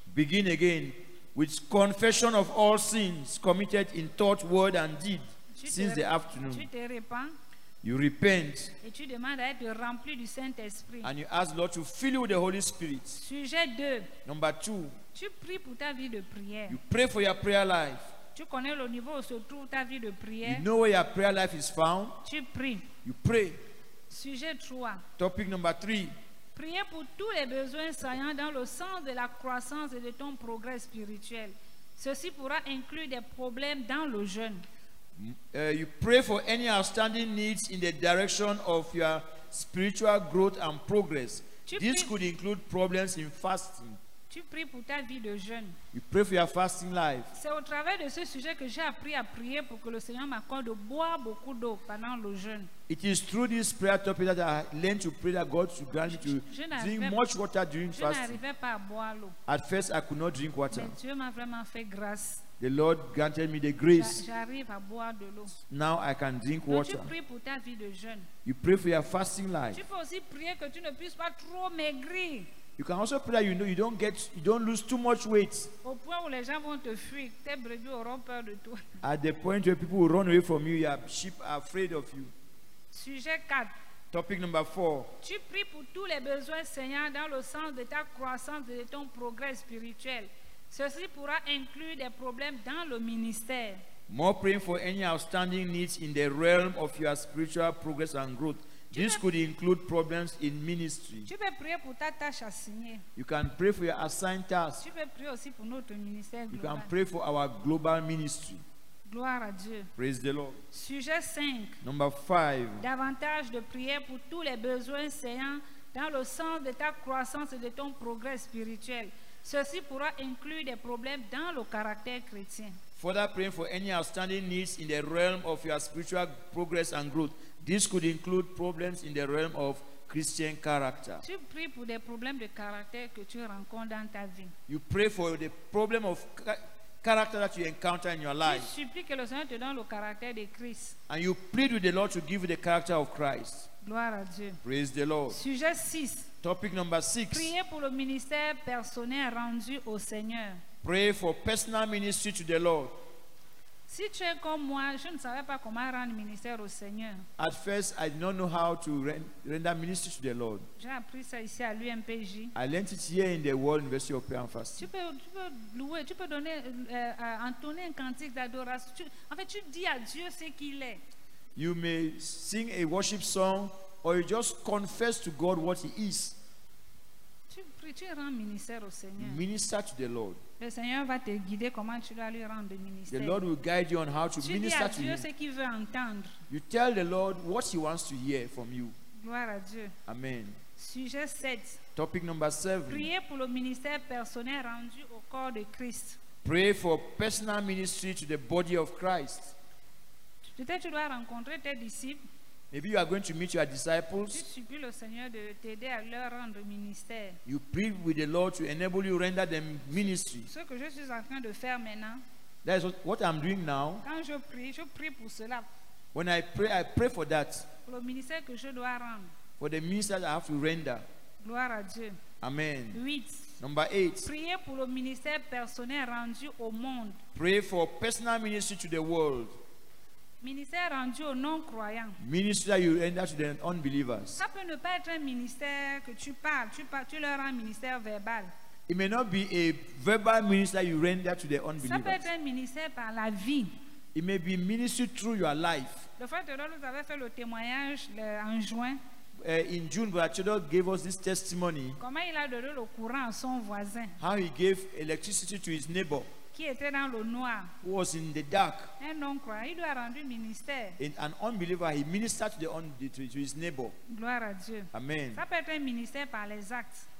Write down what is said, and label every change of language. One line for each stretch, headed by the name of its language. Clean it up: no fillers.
English: Begin again with confession of all sins committed in thought, word and deed since the afternoon.
French: Tu te repens.
English: You repent.
French: Et tu demandes à être rempli du Saint-Esprit.
English: And you ask the Lord to fill you with the Holy Spirit.
French: Sujet 2.
English: Number 2.
French: Tu pries pour ta vie de prière.
English: You pray for your prayer life.
French: Tu connais le niveau où se trouve ta vie de prière.
English: You know where your prayer life is found.
French: Tu pries.
English: You pray.
French: Sujet 3.
English: Topic number 3.
French: Prier pour tous les besoins saillants dans le sens de la croissance et de ton progrès spirituel. Ceci pourra inclure des problèmes dans le jeûne.
English: You pray for any outstanding needs in the direction of your spiritual growth and progress. This could include problems in fasting.
French: Tu pries pour ta vie de jeûne.
English: You pray for your fasting life.
French: C'est au travers de ce sujet que j'ai appris à prier pour que le Seigneur m'accorde de boire beaucoup d'eau pendant le jeûne.
English: It is through this prayer topic that I learned to pray that God should grant you to drink much water during fasting.
French: Je n'arrivais pas à boire l'eau.
English: At first, I could not drink water.
French: Mais Dieu m'a vraiment fait grâce.
English: The Lord granted me the grace.
French: J'arrive à boire de l'eau.
English: Now I can drink
French: Donc
English: water.
French: Tu pries pour ta vie de jeûne.
English: You pray for your fasting life.
French: Tu peux aussi prier que tu ne puisses pas trop maigrir.
English: You can also pray that you don't lose too much weight.
French: Au point où les gens vont te fuir, tes brebis auront peur de toi.
English: At the point where people will run away from you, your sheep are afraid of you.
French: Sujet 4.
English: Topic number 4.
French: Tu pries pour tous les besoins saignants dans le sens de ta croissance et de ton progrès spirituel. Ceci pourra inclure des problèmes dans le ministère.
English: More praying for any outstanding needs in the realm of your spiritual progress and growth. This could include problems in ministry.
French: Tu peux prier pour ta tâche assignée.
English: You can pray for your assigned task.
French: Tu peux prier aussi pour notre ministère global.
English: You can pray for our global ministry.
French: Gloire à Dieu.
English: Praise the Lord.
French: Sujet 5.
English: Number 5.
French: Davantage de prières pour tous les besoins saignants dans le sens de ta croissance et de ton progrès spirituel. Ceci pourra inclure des problèmes dans le caractère chrétien.
English: Further praying for any outstanding needs in the realm of your spiritual progress and growth. This could include problems in the realm of Christian character.
French: Tu pries pour des problèmes de caractère que tu rencontres dans ta vie.
English: You pray for the problem of character that you encounter in your life.
French: Tu supplies que le Seigneur te donne le caractère de Christ.
English: And you plead with the Lord to give you the character of Christ.
French: Gloire à Dieu.
English: Praise the Lord.
French: Sujet 6.
English: Topic number 6.
French: Prier pour le ministère personnel rendu au Seigneur.
English: Pray for personal ministry to the Lord.
French: Si tu es comme moi, je ne savais pas comment rendre ministère au Seigneur.
English: At first, I did not know how to render ministry to the Lord.
French: J'ai appris ça ici à l'UMPJ.
English: I learned it here in the World University of Prayer and Fasting.
French: Tu peux entonner un cantique d'adoration. Tu dis à Dieu ce qu'il est.
English: You may sing a worship song, or you just confess to God what He is.
French: Tu rends ministère au Seigneur.
English: You minister to the Lord.
French: Le Seigneur va te guider comment tu dois lui rendre ministère.
English: The Lord will guide you on how to minister to him.
French: Tu dis à Dieu ce qu'il veut entendre.
English: You tell the Lord what he wants to hear from you.
French: Gloire à Dieu.
English: Amen.
French: Sujet 7.
English: Topic number 7.
French: Prier pour le ministère personnel rendu au corps de Christ.
English: Pray for personal ministry to the body of Christ.
French: Peut-être tu dois rencontrer tes disciples.
English: Maybe you are going to meet your disciples.
French: Tu supplies le Seigneur de t'aider à leur rendre ministère.
English: You pray with the Lord to enable you to render them ministry.
French: Ce que je suis en train de faire maintenant.
English: That is what I'm doing now.
French: Quand je prie pour cela.
English: When I pray for that.
French: Pour le ministère que je dois rendre.
English: For the ministry that I have to render.
French: Gloire à Dieu.
English: Amen.
French: 8.
English: Number 8.
French: Priez pour le ministère personnel rendu au monde.
English: Pray for personal ministry to the world.
French: Ministère rendu aux non-croyants.
English: Ministry that you render to the unbelievers.
French: Ça peut ne pas être un ministère que tu parles. Tu leur rends ministère verbal.
English: It may not be a verbal ministry that you render to the unbelievers.
French: Ça peut être un ministère par la vie.
English: It may be ministry through your life.
French: Le frère Théodore nous avait fait le témoignage en juin.
English: In June, Brother Théodore gave us this testimony.
French: Comment il a donné le courant à son voisin.
English: How he gave electricity to his neighbor.
French: Qui était dans le noir.
English: Who was in the dark.
French: Un non-croyant, il lui a rendu ministère.
English: In an unbeliever, he ministered to his neighbor.
French: Gloire à Dieu.
English: Amen.
French: Ça peut être un ministère par les actes.